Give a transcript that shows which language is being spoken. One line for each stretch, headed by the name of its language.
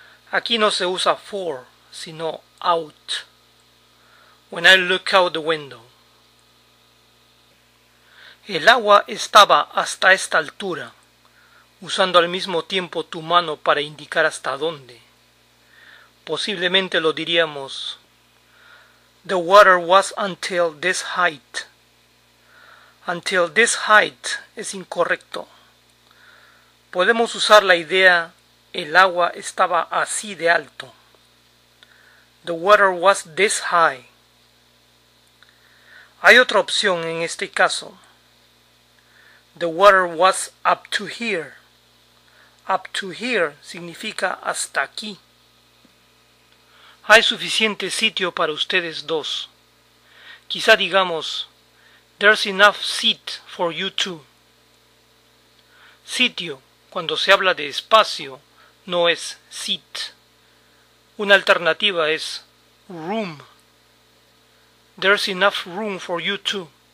Spanish: Aquí no se usa
English: for, sino out, when I look out the window.
Spanish: El agua estaba hasta esta altura, usando al mismo tiempo tu mano para indicar hasta dónde. Posiblemente lo diríamos,
English: the water was until this height. Until this height
Spanish: es incorrecto. Podemos usar la idea, el agua estaba así de alto.
English: The water was this high.
Spanish: Hay otra opción en este caso.
English: The water was up to here. Up to here
Spanish: significa hasta aquí. Hay suficiente sitio para ustedes dos. Quizá digamos,
English: there's enough seat for you two.
Spanish: Sitio, cuando se habla de espacio, no es seat. Una alternativa es
English: room. There's enough room for you too.